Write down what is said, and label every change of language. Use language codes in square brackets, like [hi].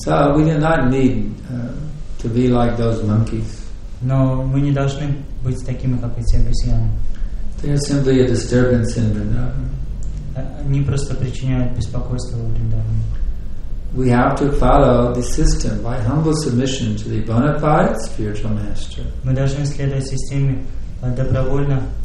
[en] So we do not need to be like those monkeys. [ru] Но мы не должны быть такими, как эти обезьяны. [en] They are simply a disturbance in Vrindavan. [ru] Они просто причиняют беспокойство во Вриндаване. [en] We have to follow the system by humble submission to the bona fide spiritual master. [ru] Мы должны следовать системе добровольно.